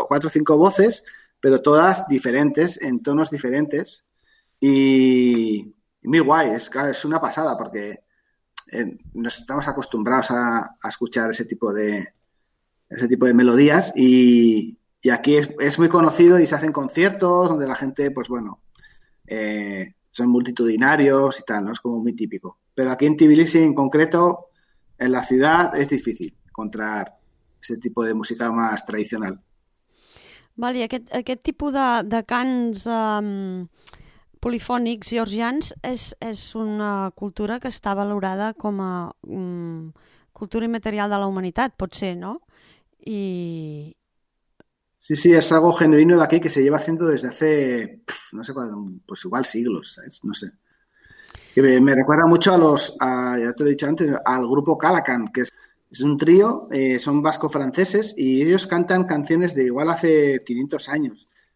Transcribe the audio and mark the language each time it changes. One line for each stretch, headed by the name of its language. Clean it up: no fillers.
Spanish: cinco voces, pero todas diferentes, en tonos diferentes, y muy guay, es una pasada, porque nos estamos acostumbrados a escuchar ese tipo de melodías, y aquí es muy conocido y se hacen conciertos donde la gente, pues bueno, son multitudinarios y tal, ¿no? Es como muy típico. Pero aquí en Tbilisi, en concreto, en la ciudad, es difícil encontrar ese tipo de música más tradicional.
Catalan: Vale, aquest tipus de cants polifònics georgians és una cultura que està valorada com a cultura immaterial de la humanitat, pot ser, no? I...
Spanish: Sí, sí, es algo genuino de aquí que se lleva haciendo desde hace, no sé cuándo, pues igual siglos, ¿sabes? No sé. Y me recuerda mucho ya te lo he dicho antes, al grupo Calacan, que es un trío, son vasco-franceses y ellos cantan canciones de igual hace 500 años.